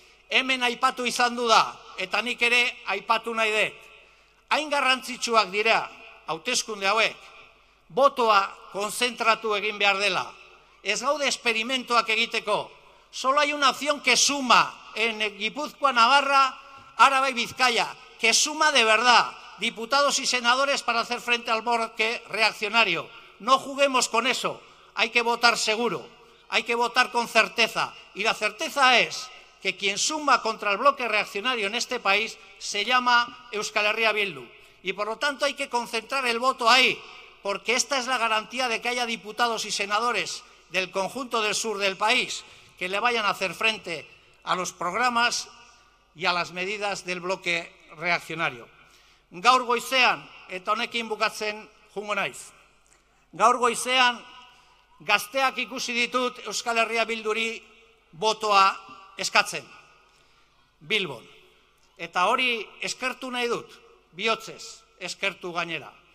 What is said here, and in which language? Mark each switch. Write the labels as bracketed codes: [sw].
[eu] hemen aipatu izan du da, eta nik ere aipatu nahi dut. Hain garrantzitsuak dira, hauteskunde hauek, botoa konzentratu egin behar dela. Ez gaude experimentoak egiteko. [es] Solo hay una opción que suma en Gipuzkoa, Navarra, Araba y Bizkaia, que suma de verdad diputados y senadores para hacer frente al bloque reaccionario. No juguemos con eso. Hay que votar seguro. Hay que votar con certeza. Y la certeza es que quien suma contra el bloque reaccionario en este país se llama Euskal Herria Bildu. Y por lo tanto hay que concentrar el voto ahí, porque esta es la garantía de que haya diputados y senadores del conjunto del sur del país que le vayan a hacer frente a los programas y a las medidas del bloque reaccionario. [eu] Gaur goizean, eta honekin bukatzen jungo naiz. Gaur goizean, gazteak ikusi ditut Euskal Herria Bilduri botoa eskatzen. Bilbon. Eta hori eskertu nahi dut, bihotzez eskertu gainera.